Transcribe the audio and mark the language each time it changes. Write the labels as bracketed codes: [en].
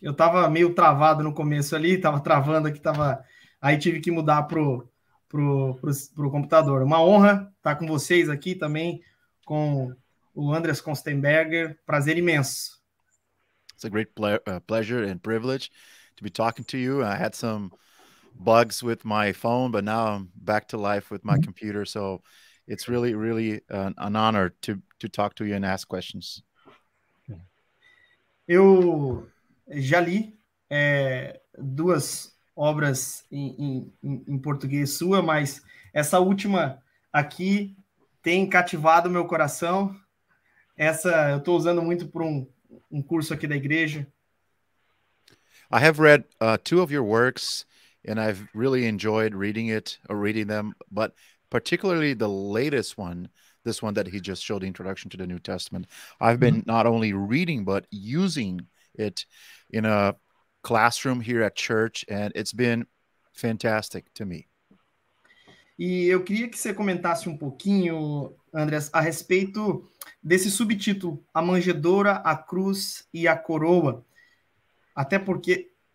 [pt] Eu tava meio travado no começo ali, tava travando aqui, aí tive que mudar pro computador. Uma honra estar com vocês aqui também, com o Andreas Köstenberger. Prazer imenso. [en] It's a great pleasure and privilege to be talking to you. I had some bugs with my phone, but now I'm back to life with my computer. So it's really, really an honor to talk to you and ask questions. [pt] Eu já li duas obras em português sua, mas essa última aqui tem cativado meu coração. Essa eu estou usando muito para um curso aqui da igreja. [en] I have read two of your works and I've really enjoyed reading it or reading them, but particularly the latest one, this one that he just showed, the Introduction to the New Testament. I've been not only reading but using it in a classroom here at church and it's been fantastic to me. [pt] E eu queria que você comentasse um pouquinho, Andreas, a respeito desse subtítulo, a manjedoura, a cruz e a coroa, até porque...